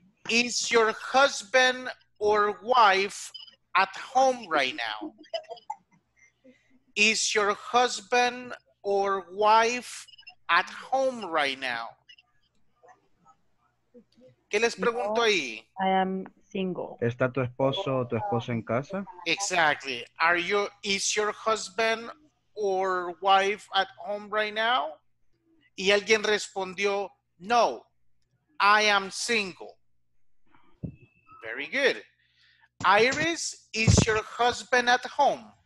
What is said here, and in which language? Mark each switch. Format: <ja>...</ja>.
<en>Is your husband or wife at home right now? Is your husband or wife at home right now?</en> <es>¿Qué les pregunto ahí?</es> <en>I am single.</en> <es>¿Está tu esposo o tu esposa en casa?</es> <en>Exactly. Are you, is your husband or wife at home right now?</en> <es>Y alguien respondió, no,</es> <en>I am single. Very good. Iris, is your husband at home?</en>